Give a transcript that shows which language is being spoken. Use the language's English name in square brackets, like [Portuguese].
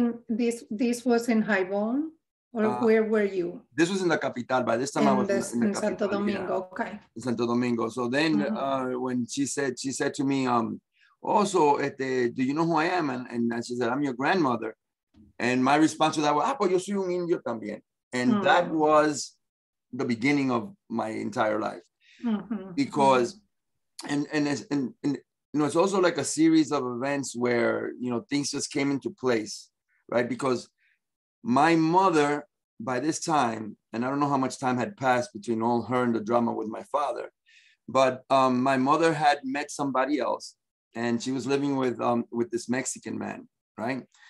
[English] This was in Jaibon, or where were you? This was in the capital. By this time, I was in the capital, Santo Domingo. Yeah. Okay. In Santo Domingo. So then, mm-hmm. When she said to me, do you know who I am? And she said, I'm your grandmother. And my response to that was, [Spanish] pues yo soy un indio también. [English] And mm-hmm. that was the beginning of my entire life, mm-hmm. because, and you know, it's also like a series of events where, you know, things just came into place, right? Because my mother, by this time, and I don't know how much time had passed between all her and the drama with my father, but my mother had met somebody else, and she was living with this Mexican man, right?